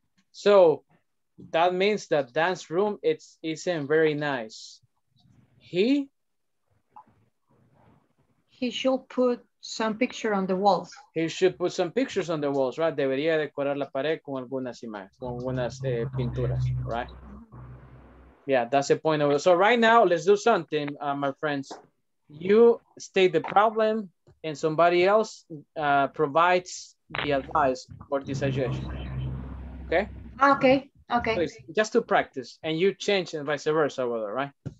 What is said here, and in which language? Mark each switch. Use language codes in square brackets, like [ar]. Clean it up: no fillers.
[en] So that means that dance room isn't very nice. He should put some picture on the walls. He should put some pictures on the walls, right? [es] Debería decorar la pared con algunas imágenes, con algunas pinturas, right? [en] Yeah, that's the point of it. So right now, let's do something, my friends. You state the problem and somebody else provides the advice or the suggestion, okay? Okay. Okay. Please, just to practice, and you change and vice versa, whether, right?